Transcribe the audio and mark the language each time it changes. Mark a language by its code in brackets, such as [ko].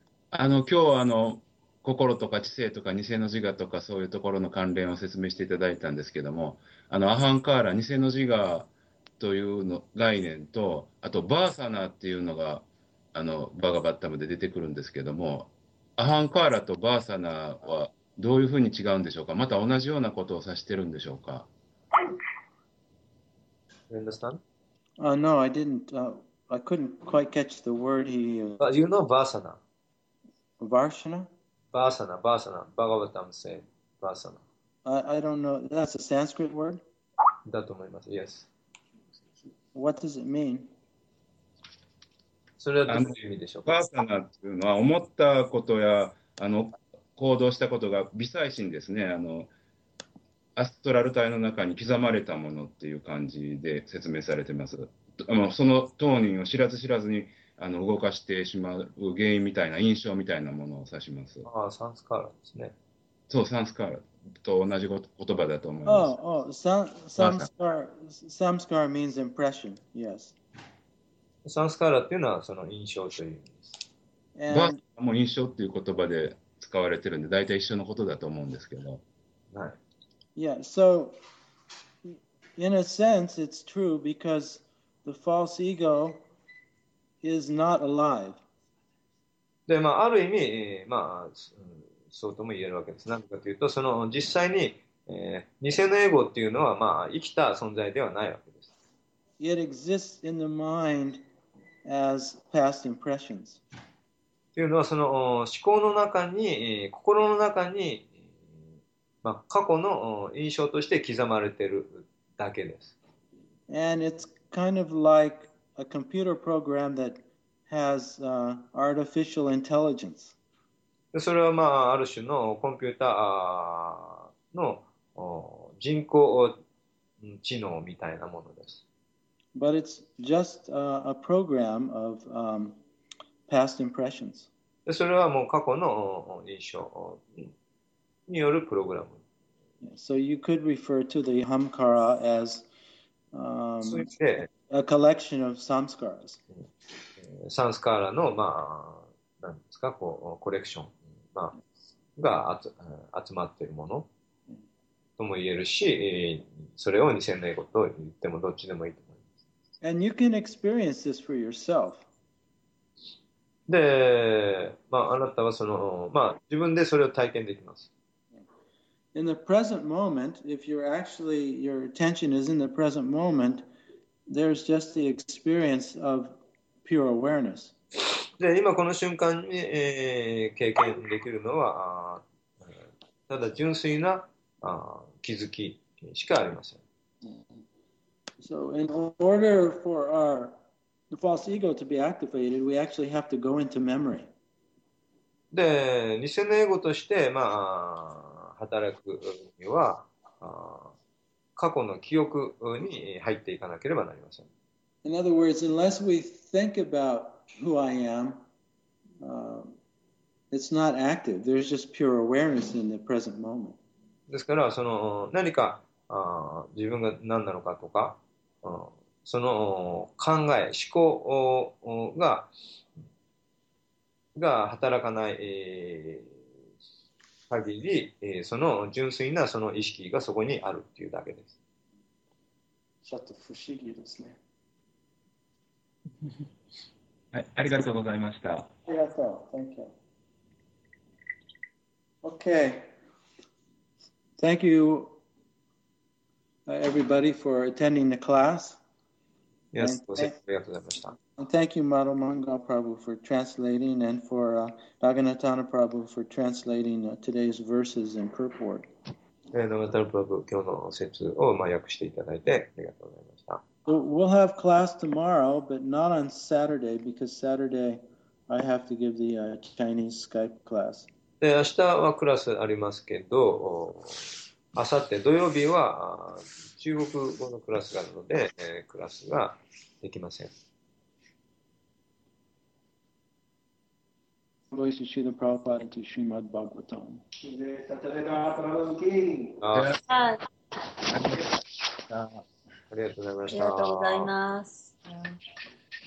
[ja] あの今日はあの心とか知性とか二世の自我とかそういうところの関連を説明していただいたんですけども、あのアハンカーラ、二世の自我というの概念と、あとバーサナーっていうのがあのバガバッタムで出てくるんですけども、アハンカーラとバーサナーはどういうふうに違うんでしょうか。また同じようなことを指してるんでしょうか。 [en] Understand? No, I didn't. I couldn't quite catch the word he used. But you know Vasana. Varshana? Vasana, Vasana. Bhagavatam say Vasana. I don't know. That's a Sanskrit word? [ja] だと思います. [en] Yes. What does it mean? [ja] それはどういう意味でしょうか? Vasana というのは思ったことやあの行動したことが微細心ですね。あのアストラル体の中に刻まれたものっていう感じで説明されてます。その当人を知らず知らずにあの動かしてしまう原因みたいな印象みたいなものを指します。ああ、サンスカーラですね。そう、サンスカーラと同じ言葉だと思います。 [en] サンスカーラ means impression, yes. [ja] サンスカーラっていうのはその印象という意味です。バーサナも印象っていう言葉で使われてるんで、大体一緒のことだと思うんですけど。はい。 [en] Yeah, so in a sense it's true because the false ego is not alive. [ja] で、まあ、ある意味、まあ、そうとも言えるわけです。なんかというと、その実際に、偽のエゴっていうのは、まあ、生きた存在ではないわけです。 [en] It exists in the mind as past impressions. [ja] というのは、その思考の中に、心の中に、まあ、過去の印象として刻まれているだけです。 [en] And it's kind of like a computer program that has artificial intelligence. [ja] それは、まあ、ある種のコンピューターの人工知能みたいなものです。 [en] But it's just a program of past impressions. [ja] それはもう過去の印象によるプログラム。 [en] So you could refer to the Ahamkara as a collection of samskaras. [ja] サンスカーラの、まあ、なんですか、こう、コレクション、まあ、が集まっているものとも言えるし、それを偽のエゴと言ってもどっちでもいいと思います。 [en] And you can experience this for yourself. [ja] で、まあ、あなたはその、まあ、自分でそれを体験できます。 [en] In the present moment, if you're actually, your attention is in the present moment, there's just the experience of pure awareness. [ja] で、今この瞬間に、経験できるのは、ただ純粋な、気づきしかありません。 [en] So in order for the false ego to be activated, we actually have to go into memory. [ja] で、偽のエゴとして、まあ、働くには過去の記憶に入っていかなければなりません。 [en] In other words, unless we think about who I am, it's not active. There's just pure awareness in the present moment. [ja] ですから、その何か自分が何なのかとか、その考え、思考が働かない限り、その純粋なその意識がそこにあるっていうだけです。ちょっと不思議ですね。はい、ありがとうございました。ありがとう。 [en] Thank you. Okay. Thank you, everybody, for attending the class. Yes, [ja] ありがとうございました。 [en] And thank you, Madhava Mangal Prabhu, for translating, and for Raghunathana Prabhu for translating today's verses in purport. [ja] Raghunathana Prabhu, 今日の説を訳していただいてありがとうございました。 [en] We'll have class tomorrow, but not on Saturday, because Saturday I have to give the Chinese Skype class. [ja] で、明日はクラスありますけど、あさって土曜日は中国語のクラスがあるので、クラスができません。 [en] Voice to Srila Prabhupada and to Srimad Bhagavatam. [ja] ありがとうございました。ありがとうございます。